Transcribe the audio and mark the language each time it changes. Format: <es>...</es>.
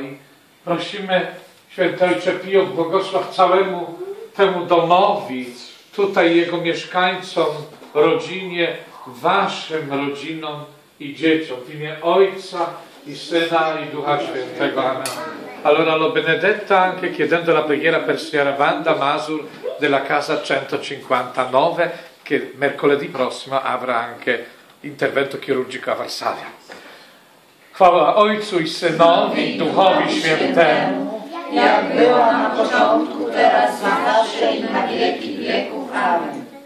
<pl>I prosimy Święty Ojcze Pio, błogosław całemu temu domowi, tutaj jego mieszkańcom, rodzinie, waszym rodzinom i dzieciom. W imię Ojca i Syna i Ducha Świętego. Amen.</pl> <it>Allora lo benedetta anche chiedendo la preghiera per Signora Wanda Mazur della casa 159, che mercoledì prossimo avrà anche intervento chirurgico a Varsavia.</it> <pl>Chwała Ojcu i Synowi i Duchowi Świętemu. Jak było na początku, teraz, na zawsze i na wieki wieków. Amen.</pl>